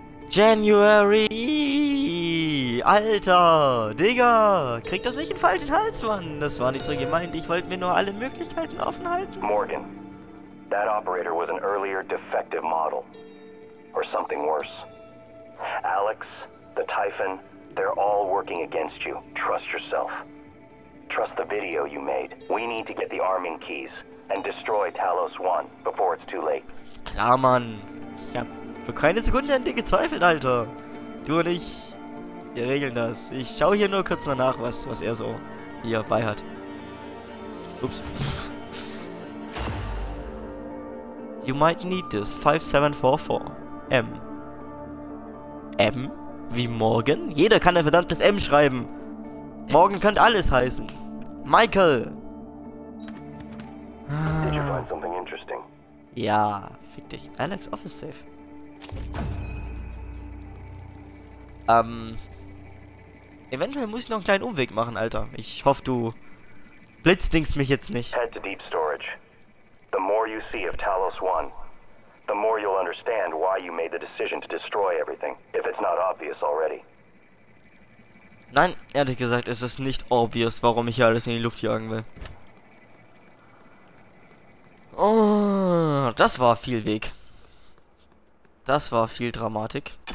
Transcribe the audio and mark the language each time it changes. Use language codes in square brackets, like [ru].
[de] January! Alter, Digga, krieg das nicht in falschen Hals, Mann. Das war nicht so gemeint. Ich wollte mir nur alle Möglichkeiten offen halten. [en] Morgan, that operator was an earlier defective model. Or something worse. Alex, the Typhon, they're all working against you. Trust yourself. Trust the video you made. We need to get the arming keys and destroy Talos 1 before it's too late. [de] Klar, Mann. Ich hab für keine Sekunde an dir gezweifelt, Alter. Du und ich. Wir regeln das. Ich schaue hier nur kurz mal nach, was er so hier bei hat. Ups. [en] You might need this 5744M. [de] M? Wie Morgan? Jeder kann ein verdammtes M schreiben. Morgan könnte alles heißen. Michael! [en] Did you find something interesting? [de] Ja, fick dich. Alex, Office Safe. Eventuell muss ich noch einen kleinen Umweg machen, Alter. Ich hoffe, du blitzdingst mich jetzt nicht. [en] Head to deep storage. The more you see of Talos 1, the more you'll understand why you made the decision to destroy everything, if it's not obvious already. [de] Nein, ehrlich gesagt, ist es nicht obvious, warum ich hier alles in die Luft jagen will. Oh, das war viel Weg. Das war viel Dramatik.